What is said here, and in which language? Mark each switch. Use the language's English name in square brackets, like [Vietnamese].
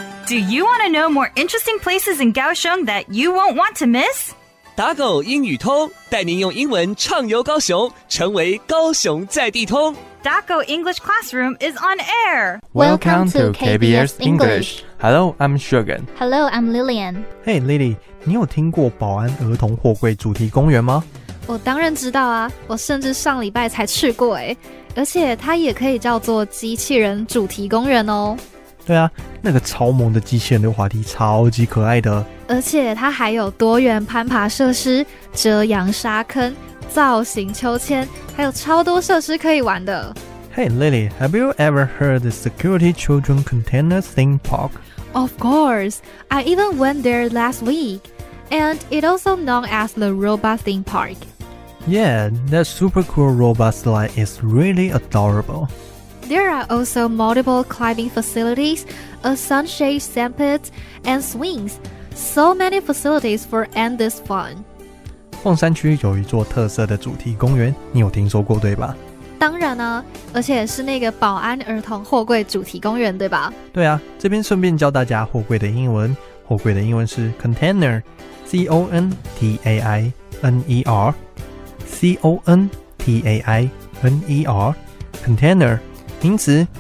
[English] Do you want to know more interesting places in Kaohsiung that you won't want to miss? [Chinese] 打狗英语通，带您用英文畅游高雄，成为高雄在地通。 [English] Daco English Classroom is on air. Welcome to KBS English. Hello, I'm Shogun. Hello, I'm Lillian. [Chinese] Hey, Lily, 你有听过宝安儿童货柜主题公园吗？我当然知道啊，我甚至上礼拜才去过诶，而且它也可以叫做机器人主题公园哦。对啊，那个超萌的机器人溜滑梯超级可爱的，而且它还有多元攀爬设施、遮阳沙坑、造型秋千，还有超多设施可以玩的。 [English] Hey Lily, have you ever heard the Security Children Container Theme Park? Of course, I even went there last week. And it's also known as the Robot Theme Park. Yeah, that super cool robot slide is really adorable. There are also multiple climbing facilities, a sunshade sandpit, and swings. So many facilities for endless fun. [Chinese] 凤山区有一座特色的主题公园，你有听说过对吧？当然啊，而且是那个宝安儿童货柜主题公园对吧？对啊，这边顺便教大家货柜的英文，货柜的英文是 container， C-O-N-T-A-I-N-E-R， C-O-N-T-A-I-N-E-R， container， 名词。